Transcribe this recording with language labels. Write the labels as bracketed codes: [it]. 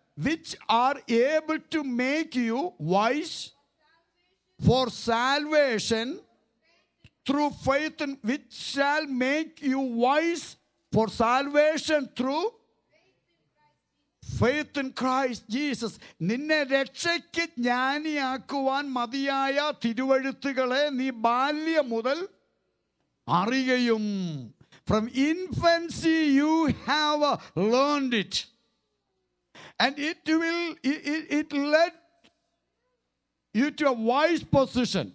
[en] which are able to make you wise for salvation through faith in, which shall make you wise for salvation through faith in Christ Jesus. [ml] നിന്നെ രക്ഷയ്ക്ക് ജ്ഞാനിയാക്കുവാൻ മതിയായ തിരുവഴുത്തുകളെ നീ ബാല്യം മുതൽ അറിയുകയും. [en] From infancy you have learned it, and it will it led you to a wise position.